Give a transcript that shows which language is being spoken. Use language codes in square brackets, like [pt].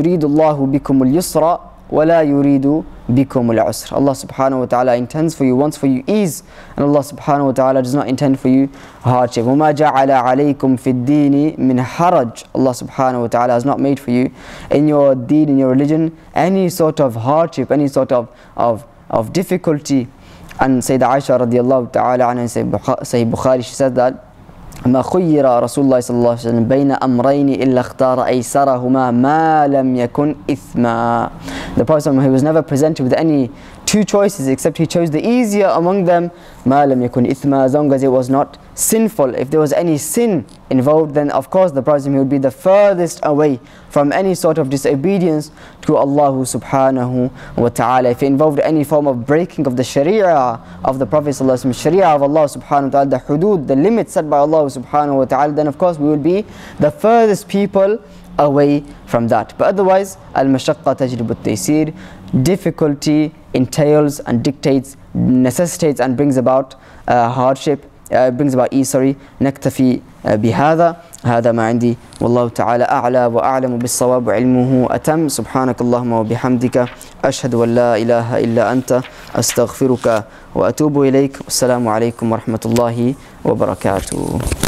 [ar] Yuridullahu bikum al-yusra وَلَا يُرِيدُ بِكُمُ الْعُسْرِ, [en] Allah subhanahu wa ta'ala intends for you, wants for you ease, and Allah subhanahu wa ta'ala does not intend for you hardship. [ar] وَمَا جَعَلَ عَلَيْكُمْ فِي الدِّينِ مِنْ حَرَجٍ, [en] Allah subhanahu wa ta'ala has not made for you in your deen, in your religion, any sort of hardship, any sort of difficulty. And Sayyidah Aisha radiallahu ta'ala anha, Sayyid Bukhari, she said that [ar] مَا خُيِّرَ رَسُولُ اللَّهِ صَلَّى اللَّهُ عَلَيْهِ وَسَلَّمَ بَيْنَ أَمْرَيْنِ إِلَّا اخْتَارَ أَيْسَرَهُمَا مَا لَمْ يَكُنْ إِثْمًا. [en] The Prophet ﷺ, he was never presented with any two choices, except he chose the easier among them, [ar] مَا لَمْ يَكُنْ إِثْمًا, [en] as long as it was not sinful. If there was any sin involved, then of course the Prophet ﷺ, he would be the furthest away from any sort of disobedience to Allah subhanahu wa ta'ala. If it involved any form of breaking of the sharia of the Prophet sallallahu alayhi wa sallam, sharia of Allah subhanahu wa ta'ala, the hudud, the limits set by Allah subhanahu wa ta'ala, then of course we will be the furthest people away from that. But otherwise, [ar] al-mashaqqa tajlibu al-taysir, [en] difficulty entails and dictates, necessitates and brings about hardship, brings about ease, sorry. [ar] Naktafi bihada. هذا ما عندي والله تعالى أعلى وأعلم بالصواب علمه أتم سبحانك اللهم وبحمدك أشهد أن لا إله إلا أنت أستغفرك وأتوب إليك والسلام عليكم ورحمة الله وبركاته.